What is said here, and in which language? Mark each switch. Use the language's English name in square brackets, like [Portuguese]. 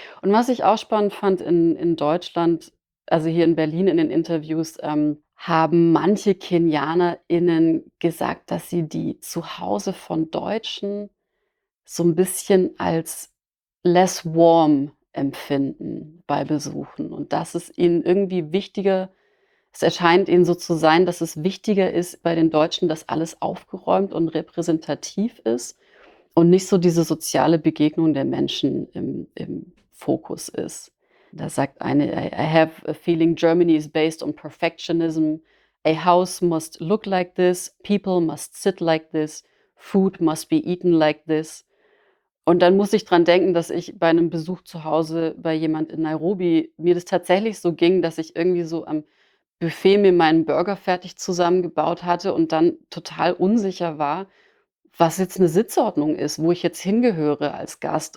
[German] Und was ich auch spannend fand in Deutschland, also hier in Berlin in den Interviews, haben manche KenianerInnen gesagt, dass sie die Zuhause von Deutschen so ein bisschen als less warm empfinden bei Besuchen. Und dass es ihnen irgendwie wichtiger, es erscheint ihnen so zu sein, dass es wichtiger ist bei den Deutschen, dass alles aufgeräumt und repräsentativ ist und nicht so diese soziale Begegnung der Menschen im Fokus ist. Da sagt eine, [English] I have a feeling Germany is based on perfectionism. A house must look like this. People must sit like this. Food must be eaten like this. [German] Und dann muss ich dran denken, dass ich bei einem Besuch zu Hause bei jemand in Nairobi mir das tatsächlich so ging, dass ich irgendwie so am Buffet mir meinen Burger fertig zusammengebaut hatte und dann total unsicher war, was jetzt eine Sitzordnung ist, wo ich jetzt hingehöre als Gast.